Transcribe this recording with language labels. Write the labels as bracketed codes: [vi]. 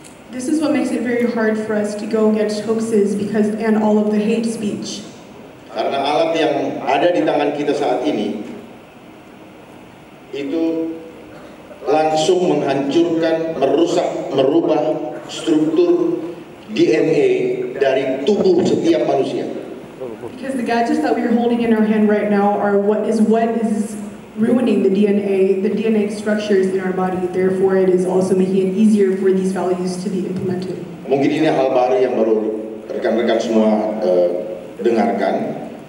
[en] This is what makes it very hard for us to go against hoaxes because and all of the hate speech. [id] Karena alat yang ada di tangan kita saat ini itu langsung menghancurkan, merusak, merubah struktur DNA dari tubuh setiap manusia. [en] Because the gadgets that we are holding in our hand right now are what is ruining the DNA structures in our body. Therefore, it is also making it easier for these values to be implemented. [id] Mungkin ini hal baru yang baru rekan-rekan semua dengarkan.